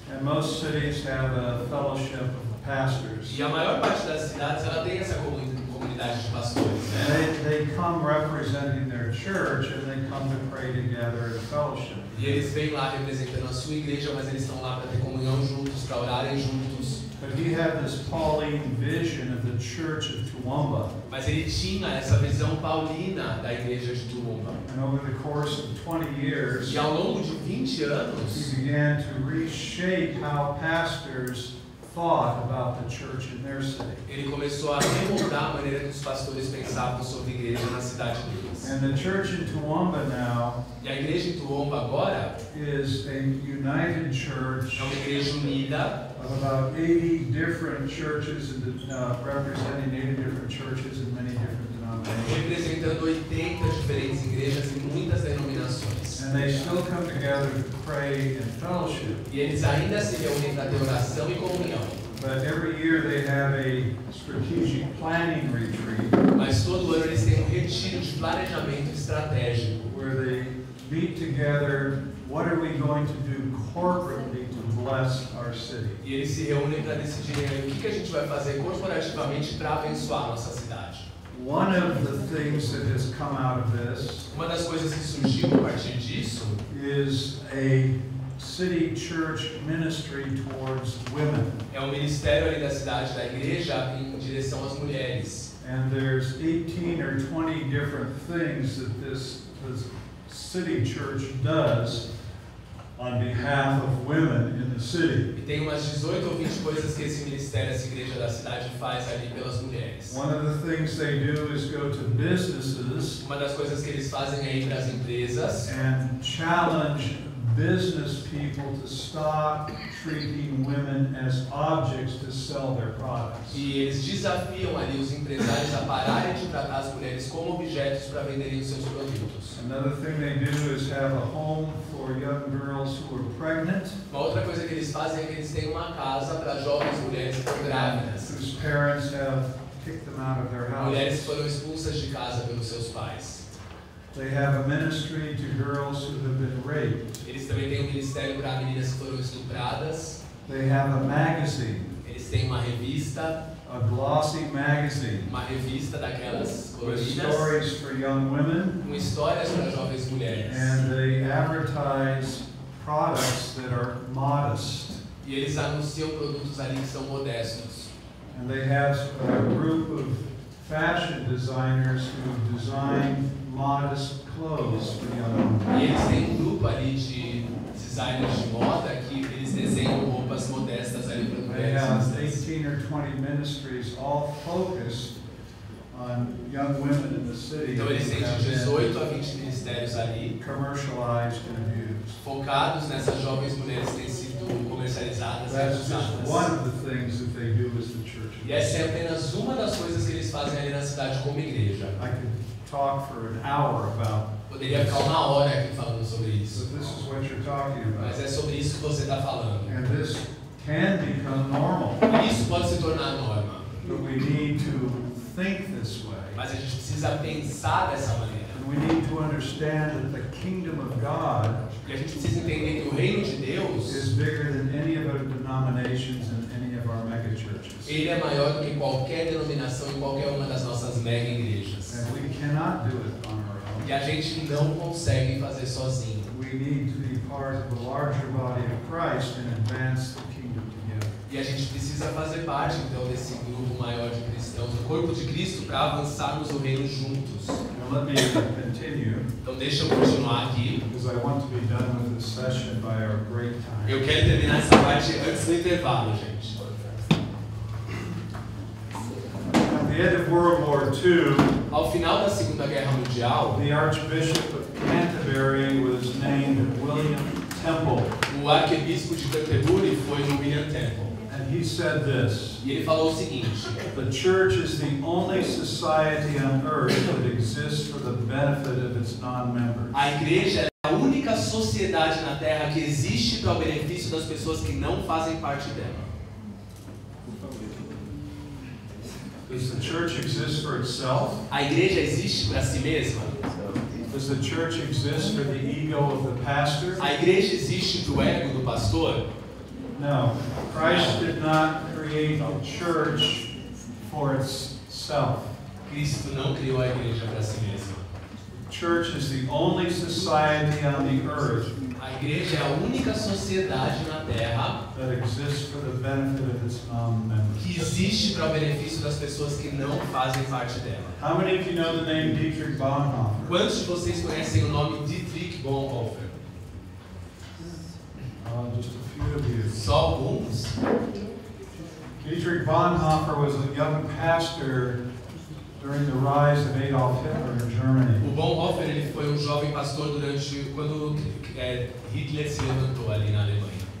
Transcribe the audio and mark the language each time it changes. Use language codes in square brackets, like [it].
[en] And most cities have a fellowship of pastors. [pt] E a maior parte das cidades ela tem essa comunidade de pastores. Né? [en] They come representing their church and they come to pray together in fellowship. [pt] E eles vêm lá representando a sua igreja, mas eles estão lá para ter comunhão juntos, para orarem juntos. [en] But he had this Pauline vision of the church of Toowoomba. [pt] Mas ele tinha essa visão paulina da igreja de Toowoomba. [en] And over the course of 20 years, [pt] e ao longo de 20 anos, [en] he began to reshape how pastors thought about the church in their city. [pt] Ele começou a remoldar a maneira que os pastores pensavam sobre a igreja na cidade deles. [en] And the church in Toowoomba now, [pt] e a igreja em Toowoomba agora, [en] is a united church, [pt] é uma igreja unida, [en] of about 80 different churches and representing 80 different churches in many different denominations. [pt] Representando 80 diferentes igrejas em muitas denominações. [en] And they still come together to pray and fellowship. [pt] E eles ainda se reúnem para ter oração e comunhão. [en] But every year they have a strategic planning retreat. [pt] Mas todo ano eles têm um retiro de planejamento estratégico. [en] Where they meet together, what are we going to do corporately to bless our city? [pt] E eles se reúnem para decidir o que a gente vai fazer corporativamente para abençoar nossa cidade. [en] One of the things that has come out of this, [pt] uma das coisas que surgiu a partir disso, [en] is a city church ministry towards women. [pt] É o ministério ali da cidade, da igreja, em direção às mulheres. [en] And there's 18 or 20 different things that this city church does on behalf of women in the city. [pt] E tem umas 18 ou 20 coisas que esse ministério, essa igreja da cidade faz ali pelas mulheres. [en] One of the things they do is go to businesses. [pt] Uma das coisas que eles fazem é ir para as empresas. [en] And challenge business people to stop treating women as objects to sell their products. [pt] E eles desafiam ali os empresários a pararem de tratar as mulheres como objetos para venderem os seus produtos. [en] Another thing they do is have a home for young girls who are pregnant. [pt] Uma outra coisa que eles fazem é que eles têm uma casa para jovens mulheres que estão grávidas. [en] Whose parents have kicked them out of their house. [pt] Mulheres foram expulsas de casa pelos seus pais. [en] They have a ministry to girls who have been raped. [pt] Eles também têm um ministério para meninas que foram estupradas. [en] They have a magazine. [pt] Eles têm uma revista. [en] A glossy magazine. [pt] Uma revista daquelas coloridas. [en] With stories for young women. [pt] Com histórias para jovens mulheres. [en] And they advertise products that are modest. [pt] E eles anunciam produtos ali que são modestos. [en] And they have a group of fashion designers who design modest clothes for young women. [pt] E eles têm um grupo ali de designers de moda que eles desenham roupas modestas ali para mulheres. [en] They have 18 or 20 ministries all focused on young women in the city. [pt] Então eles têm de 18 a 20 ministérios ali [en] commercialized and abused. [pt] Focados nessas jovens mulheres que têm sido comercializadas. [en] That's just one of the things that they do as the church. [pt] E essa é apenas uma das coisas que eles fazem ali na cidade como igreja. [en] I could talk for an hour about. [pt] Poderia ficar uma hora aqui falando sobre isso. [en] But this is what you're talking about. [pt] Mas é sobre isso que você está falando. [en] And this can become normal. [pt] Isso pode se tornar norma. [en] But we need to think this way. [pt] Mas a gente precisa pensar dessa maneira. [en] And we need to understand that the kingdom of God. [pt] E a gente precisa entender que o reino de Deus [en] is bigger than any of our denominations and any of our mega churches. [pt] Ele é maior do que qualquer denominação e qualquer uma das nossas mega igrejas. [en] And we cannot do it on our own. [pt] E a gente não consegue fazer sozinho. [en] We need to be part of the larger body of Christ and advance the kingdom together. [pt] E a gente precisa fazer parte então desse grupo maior de cristãos, do corpo de Cristo, para avançarmos o reino juntos. [en] Let me continue, [pt] então deixa eu continuar aqui. [en] Because I want to be done with this session by our break time. [pt] Eu quero terminar essa parte antes do intervalo, gente. [en] At the end of World War II, [pt] ao final da Segunda Guerra Mundial, [en] the Archbishop of Canterbury was named William Temple. [pt] O arcebispo de Canterbury foi o William Temple. [en] He said this. [pt] E ele falou o seguinte: [en] the church is the only society on earth that exists for the benefit of its non-members. [pt] A igreja é a única sociedade na Terra que existe para o benefício das pessoas que não fazem parte dela. [en] Does the church exist for itself? [pt] A igreja existe para si mesma? [en] Does the church exist for the ego of the pastor? [pt] A igreja existe para o ego do pastor? [en] No, Christ did not create a church for itself. [pt] Cristo não criou a igreja para si mesmo. [en] Church is the only society on the earth. [pt] A igreja é a única sociedade na Terra [en] that exists for the benefit of its non-members. [pt] Que existe para o benefício das pessoas que não fazem parte dela. [en] How many of you know the name Dietrich Bonhoeffer? [pt] Quantos de vocês conhecem o nome Dietrich Bonhoeffer? [en] Just a few of you. [pt] Só alguns. [en] Dietrich Bonhoeffer was a young pastor during the rise of Adolf Hitler in Germany. [pt] O Bonhoeffer ele foi jovem pastor durante quando Hitler se levantou ali na Alemanha.